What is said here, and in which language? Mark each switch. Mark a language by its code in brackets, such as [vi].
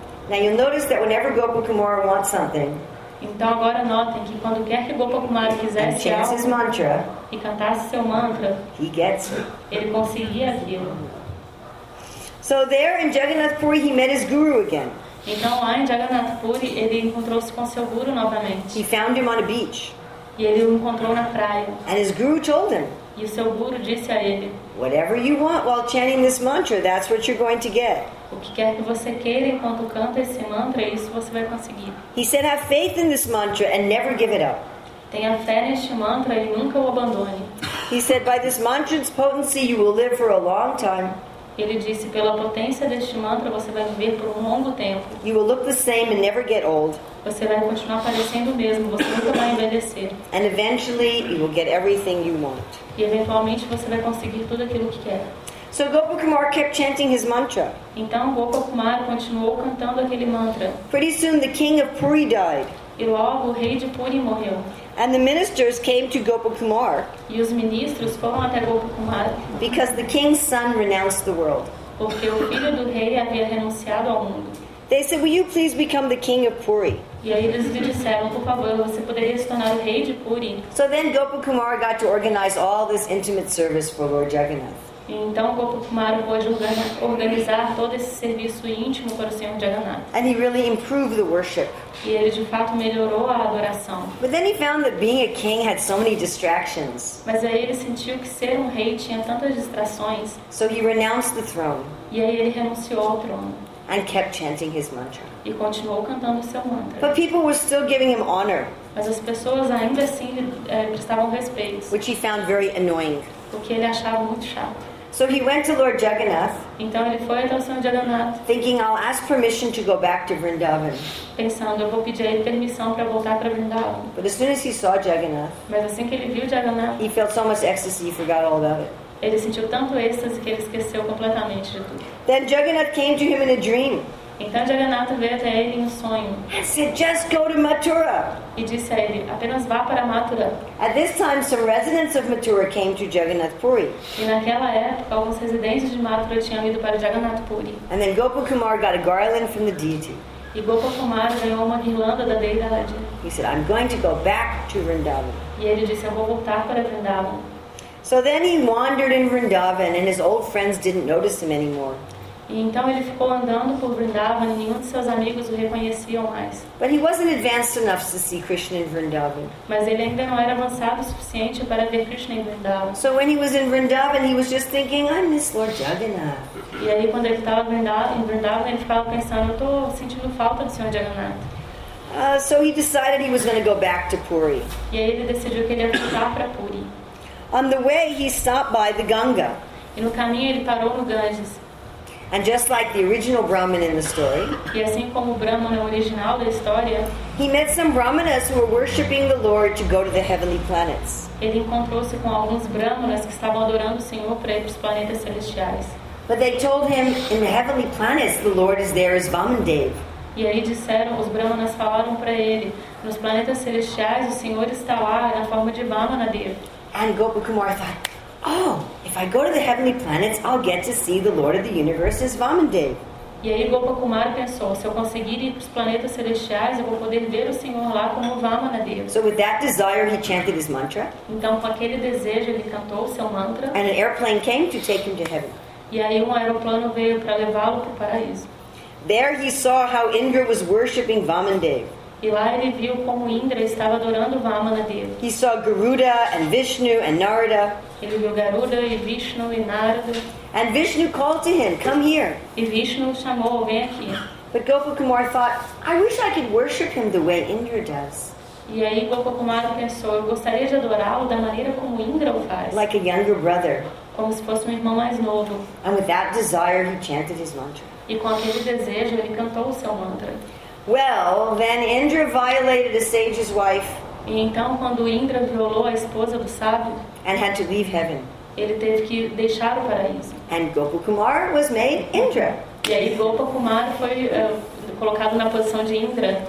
[en] Now you'll notice that whenever Gopa Kumara wants something, [pt] então agora notem que quando quer que Gopa Kumara fizesse [en] and [pt] algo [en] his mantra, [pt] e cantasse seu mantra, [en] he gets it. [pt] Ele conseguia aquilo. [en] So there in Jagannath Puri, he met his guru again. [pt] Então lá em Jagannath Puri ele encontrou-se com seu guru novamente. [en] He found him on a beach. [pt] E ele o encontrou na praia. [en] And his guru told him, [pt] e o seu guru disse a ele, [en] whatever you want while chanting this mantra, that's what you're going to get. [pt] O que quer que você queira enquanto canta esse mantra, isso você vai conseguir. [en] He said, have faith in this mantra and never give it up. [pt] Tenha fé neste mantra e nunca o abandone. [en] He said, by this mantra's potency, you will live for a long time. [pt] Ele disse, pela potência deste mantra, você vai viver por um longo tempo. [en] You will look the same and never get old. [pt] Você vai continuar parecendo o mesmo, você nunca vai envelhecer. [en] And eventually, you will get everything you want. [pt] E eventualmente, você vai conseguir tudo aquilo que quer. [en] So Gopa Kumara kept chanting his mantra. [pt] Então, Gopa Kumara continuou cantando aquele mantra. [en] Pretty soon, the king of Puri died. [pt] E logo, o rei de Puri morreu. [en] And the ministers came to Gopa Kumara. [pt] E os ministros foram até Gopa Kumara. [en] Because the king's son renounced the world. [pt] Porque o filho do rei havia renunciado ao mundo. [en] They said, will you please become the king of Puri? [pt] E aí eles lhe disseram, por favor, você poderia se tornar o rei de Puri? [en] So then Gopa Kumara got to organize all this intimate service for Lord Jagannath. [pt] Então Gopa Kumara pôde organizar todo esse serviço íntimo para o Senhor Jagannath. [en] And he really improved the worship. [pt] E ele de fato melhorou a adoração. [en] But then he found that being a king had so many distractions. [pt] Mas aí ele sentiu que ser um rei tinha tantas distrações. [en] So he renounced the throne. [pt] E aí ele renunciou ao trono. [en] And kept chanting his mantra. [pt] E continuou cantando seu mantra. [en] But people were still giving him honor. [pt] Mas as pessoas ainda assim prestavam respeito. [en] Which he found very annoying. [pt] O que ele achava muito chato. [en] So he went to Lord Jagannath. [pt] Então ele foi até o Senhor Jagannath. [en] Thinking, I'll ask permission to go back to Vrindavan. [pt] Pensando, eu vou pedir a ele permissão para voltar para Vrindavan. [en] But as soon as he saw Jagannath, [pt] mas assim que ele viu Jagannath, [en] he felt so much ecstasy, he forgot all about it. [pt] Ele sentiu tanto êxtase que ele esqueceu completamente de tudo. [en] Then Jagannath came to him in a dream. [pt] Então Jagannath veio até ele em um sonho. [en] He said, just go to Mathura. [pt] E disse a ele, apenas vá para Mathura. [en] At this time, some residents of Mathura came to Jagannath Puri. [pt] E naquela época, alguns residentes de Mathura tinham ido para Jagannath Puri. [en] And then Gopa Kumara got a garland from the deity. [pt] E Gopa Kumara ganhou uma guirlanda da deidade. [en] He said, I'm going to go back to Vrindavan. [pt] E ele disse, eu vou voltar para Vrindavan. [en] So then he wandered in Vrindavan, and his old friends didn't notice him anymore. [pt] Então ele ficou andando por Vrindavan e nenhum de seus amigos o reconheciam mais. [en] But he wasn't advanced enough to see Krishna in Vrindavan. [pt] Mas ele ainda não era avançado o suficiente para ver Krishna em Vrindavan. [en] So when he was in Vrindavan, he was just thinking, I miss Lord Jagannath. [pt] E aí quando ele estava em Vrindavan, ele ficava pensando, eu estou sentindo falta do Senhor Jagannath. [en] So he decided he was going to go back to Puri. [pt] E aí ele decidiu que ele ia voltar para Puri. [en] On the way, he stopped by the Ganga. [pt] E no caminho ele parou no Ganges. [en] And just like the original Brahmin in the story, [pt] e assim como o Brahman original da história, [en] he met some Brahmanas who were worshipping the Lord to go to the heavenly planets. [pt] Ele encontrou-se com alguns Brahmanas que estavam adorando o Senhor para ir para os planetas celestiais. [en] But they told him, in the heavenly planets, the Lord is there as Vamandev. [pt] E aí disseram, os Brahmanas falaram para ele, nos planetas celestiais o Senhor está lá na forma de Vamanadev. [en] And Gopakumara thought, oh, if I go to the heavenly planets, I'll get to see the Lord of the Universe as Vamandev. [pt] E aí Gopakumara pensou, se eu conseguir ir para os planetas celestiais, eu vou poder ver o Senhor lá como Vamanadev. [en] So with that desire, he chanted his mantra. [pt] Então com aquele desejo ele cantou o seu mantra. [en] And an airplane came to take him to heaven. [pt] E aí aeroplano veio para levá-lo para o paraíso. [en] There he saw how Indra was worshipping Vamandev. [pt] E lá ele viu como Indra estava adorando Vamanadev. [en] He saw Garuda and Vishnu and Narada. [pt] Ele viu Garuda e Vishnu e Narada. [en] And Vishnu called to him, come here. [pt] E Vishnu chamou, vem aqui. [en] But Gopakumara thought, I wish I could worship him the way Indra does. [pt] E aí Gopakumara pensou, eu gostaria de adorá-lo da maneira como Indra o faz. [en] Like a younger brother. [pt] Como se fosse um irmão mais novo. [en] And with that desire, he chanted his mantra. [pt] E com aquele desejo, ele cantou o seu mantra. [en] Well, then Indra violated a sage's wife. [pt] E então, quando Indra violou a esposa do sábio, [en] and had to leave heaven. [pt] Ele teve que deixar o paraíso. [en] And Gopakumara was made Indra. [pt] E aí Gopakumara foi colocado na posição de Indra.